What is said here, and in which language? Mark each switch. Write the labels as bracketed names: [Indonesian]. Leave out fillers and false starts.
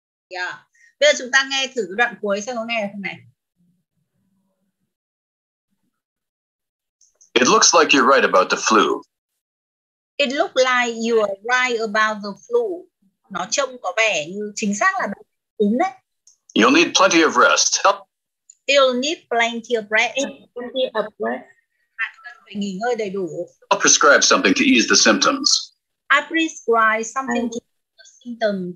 [Vietnamese] Yeah. Bây giờ chúng ta nghe thử đoạn cuối xem có nghe được không này. [English] It looks like you're right about the flu. It looks like you're right about the flu. [Vietnamese] Nó trông có vẻ như chính xác là đúng đấy. You'll need plenty of rest. You'll need plenty of rest. Bạn cần phải nghỉ ngơi đầy đủ. [English] I'll prescribe something to ease the symptoms. I prescribe something to ease the symptoms.